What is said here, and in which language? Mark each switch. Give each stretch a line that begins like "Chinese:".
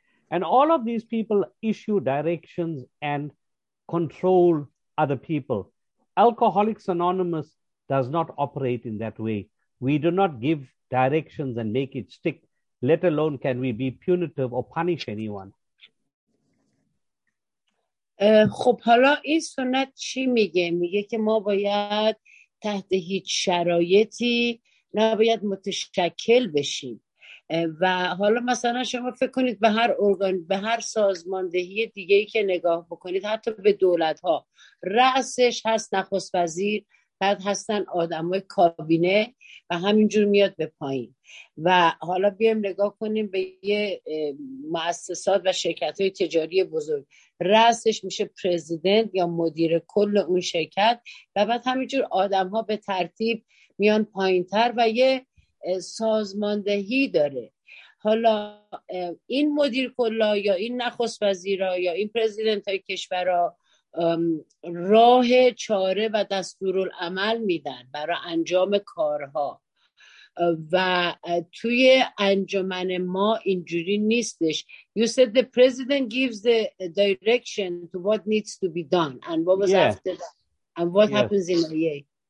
English: And all of these people issue directions and control other people. Alcoholics Anonymous does not operate in that way. We do not give directions and make it stick, let alone can we be punitive or punish anyone.
Persian: خب حالا این سنت چی میگه؟ میگه که ما باید تحت هیچ شرایطی نباید متشکل بشیم. و حالا مثلا شما فکر کنید به هر ارگان، به هر سازماندهی دیگه‌ای که نگاه بکنید، حتی به دولت‌ها، رأسش هست نخست وزیر، بعد هستن آدمای کابینه و همینجور میاد به پایین. و حالا بیایم نگاه کنیم به یه مؤسسات و شرکت‌های تجاری بزرگ، رأسش میشه پرزیدنت یا مدیر کل اون شرکت و بعد همینجور آدم‌ها به ترتیب میان پایین‌تر و یه سازماندهی داره. حالا این مدیر کلا یا این نخست وزیرا یا این پرزیدنت های کشورا راه چاره و دستورالعمل میدن برای انجام کارها و توی انجمن ما اینجوری نیستش.
English: You said the president gives the direction to what needs to be done and what was after that and what happens in AA.